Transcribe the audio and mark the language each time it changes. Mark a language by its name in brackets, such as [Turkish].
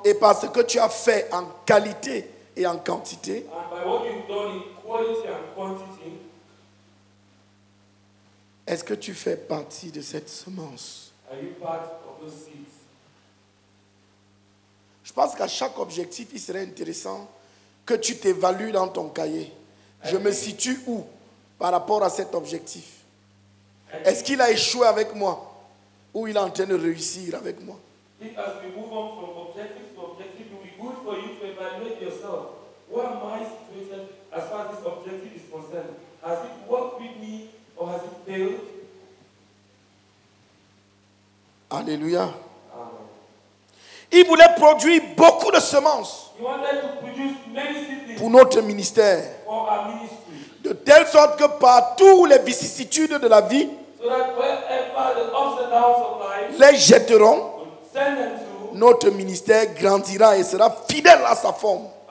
[French] Et par ce que tu as fait en qualité et en quantité? [English] And by what you've done in quality and quantity? [French] Est-ce que tu fais partie de cette semence? [English] Are you part of those seeds? [French] Je pense qu'à chaque objectif, il serait intéressant que tu t'évalues dans ton cahier. Je me situe où par rapport à cet objectif? Est-ce qu'il a échoué avec moi ou il est en train de réussir avec moi? [English] I think as we move on from objective to objective, it will be good for you to evaluate yourself. What am I situated as far as this objective is concerned? Has it worked with me or has it failed? Alleluia. Amen. [French] Il voulait produire beaucoup de semences. [English] He wanted to produce many seeds [French] pour notre ministère. [English] For our ministry. [French] De telle sorte que partout les vicissitudes de la vie, [English] so that wherever the ups and downs of life, [French] les jetteront. Notre ministère grandira et sera fidèle à sa forme.